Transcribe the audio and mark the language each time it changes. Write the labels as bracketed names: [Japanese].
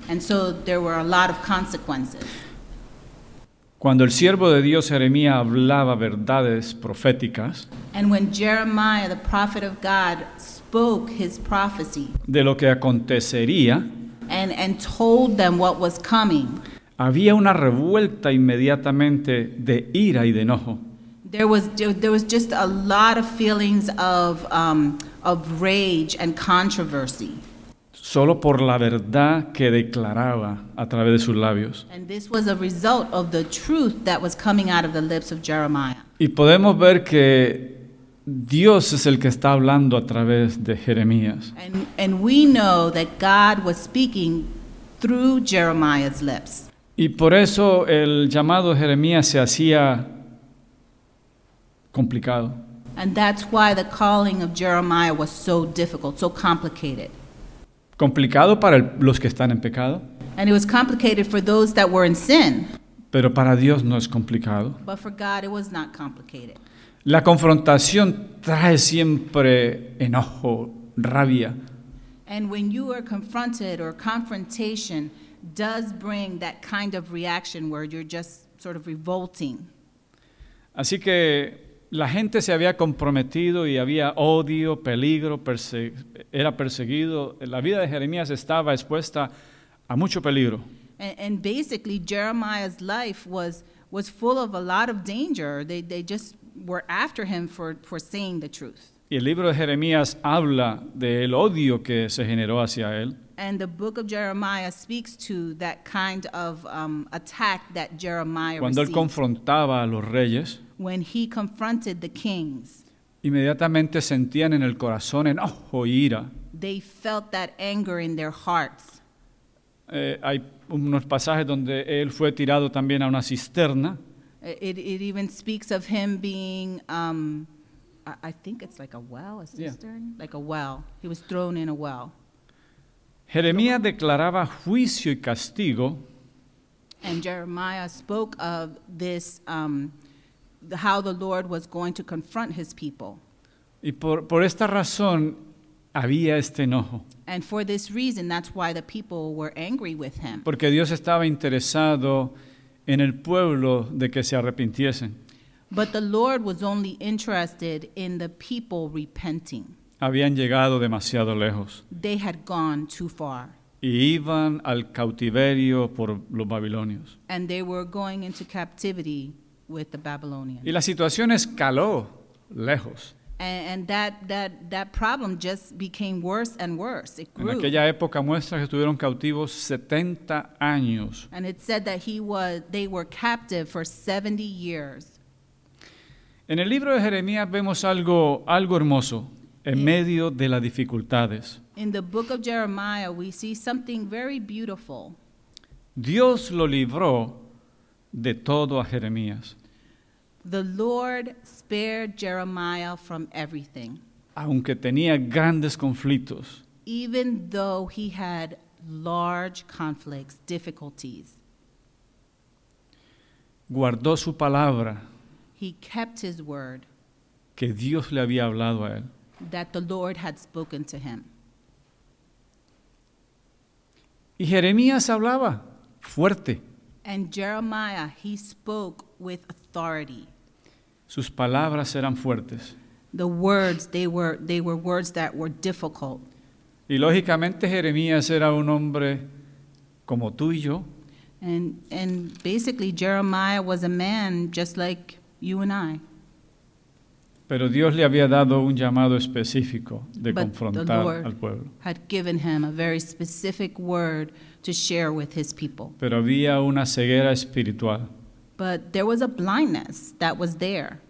[English] And so there were a lot of consequences. [Spanish] Cuando el siervo de Dios Jeremías hablaba verdades proféticas, [English] and when Jeremiah, the prophet of God, spoke his prophecy, [Spanish] de lo que acontecería, [English] and told them what was coming, [Spanish] había una revuelta inmediatamente de ira y de enojo. [English] There was just a lot of feelings of rage and controversy. [Spanish] Solo por la verdad que declaraba a través de sus labios. [English] And this was a result of the truth that was coming out of the lips of Jeremiah. [Spanish] Y podemos ver que Dios es el que está hablando a través de Jeremías. [English] And we know that God was speaking through Jeremiah's lips. [Spanish] Y por eso el llamado de Jeremías se hacía complicado. [English] And that's why the calling of Jeremiah was so difficult, so complicated. [Spanish] Complicado para los que están en pecado. [English] And it was complicated for those that were in sin. [Spanish] Pero para Dios no es complicado. [English] But for God it was not complicated. [Spanish] La confrontación trae siempre enojo, rabia. [English] And when you are confronted or confrontation does bring that kind of reaction where you're just sort of revolting. [Spanish] Así que la gente se había comprometido y había odio, peligro, era perseguido. La vida de Jeremías estaba expuesta a mucho peligro. [English] And basically, Jeremiah's life was full of a lot of danger. They just were after him for saying the truth. [Spanish] Y el libro de Jeremías habla del odio que se generó hacia él. [English] And the book of Jeremiah speaks to that kind of attack that Jeremiah received. [Spanish] Cuando él confrontaba a los reyes. [English] When he confronted the kings. [Spanish] Inmediatamente sentían en el corazón enojo y ira. [English] They felt that anger in their hearts. [Spanish] Hay unos pasajes donde él fue tirado también a una cisterna. [English] It even speaks of him being, I think it's like a well, a cistern? Yeah. Like a well. He was thrown in a well. [Spanish] Jeremías declaraba juicio y castigo. [English] And Jeremiah spoke of this, how the Lord was going to confront his people. [Spanish] Y por esta razón había este enojo. [English] And for this reason, that's why the people were angry with him. [Spanish] Porque Dios estaba interesado en el pueblo de que se arrepintiesen. [English] But the Lord was only interested in the people repenting. [Spanish] Habían llegado demasiado lejos. [English] They had gone too far. [Spanish] Y iban al cautiverio por los babilonios. [English] And they were going into captivity with the Babylonians. [Spanish] Y la situación escaló lejos. [English] And that problem just became worse and worse. It grew. [Spanish] En aquella época muestra que estuvieron cautivos 70 años. [English] And it said that they were captive for 70 years. [Spanish] En el libro de Jeremías vemos algo hermoso en medio de las dificultades. [English] In the book of Jeremiah, we see something very beautiful. [Spanish] Dios lo libró de todo a Jeremías. [English] The Lord spared Jeremiah from everything. [Spanish] Aunque tenía grandes conflictos. [English] Even though he had large conflicts, difficulties. [Spanish] Guardó su palabra. [English] He kept his word. [Spanish] Que Dios le había hablado a él. [English] That the Lord had spoken to him. [Spanish] Y Jeremías hablaba fuerte. [English] And Jeremiah, he spoke with authority. [Spanish] Sus palabras eran fuertes. [English] The words, they were words that were difficult. [Spanish] Y lógicamente Jeremías era un hombre como tú y yo. [English] And basically Jeremiah was a man just like you and I. [Spanish] Pero Dios le había dado un llamado específico de confrontar al pueblo. [English] But the Lord had given him a very specific word to share with his people. [Spanish] Pero había una ceguera espiritual. [English] But there was a blindness that was there.